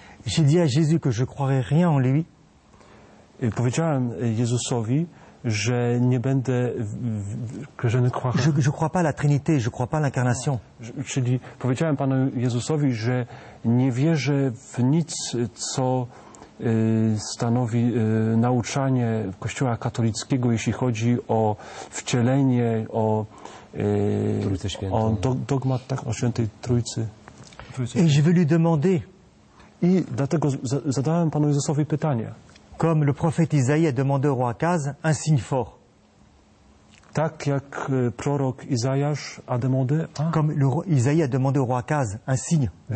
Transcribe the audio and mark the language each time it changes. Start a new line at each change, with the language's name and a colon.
French: J'ai dit à Jésus que je croirais rien en lui.
Polish: Powiedziałem Jezusowi, że nie będę
French: que je ne crois pas. Je crois pas à la Trinité, je crois pas à l'incarnation.
Polish: Czyli powiedziałem Panu Jezusowi, że nie wierzę w nic, co stanowi nauczanie Kościoła katolickiego, jeśli chodzi o wcielenie, o Trójcę Świętą. O dogmat tak, o Świętej Trójcy.
French: Et je vais lui demander.
Polish: I dlatego zadałem Panu Jezusowi pytanie.
French: Comme le prophète Isaïe a demandé au roi Akaz un signe fort.
Polish: Tak jak prorok Izajasz
French: a demandé. Comme le roi Isaïe a demandé au roi Akaz un signe.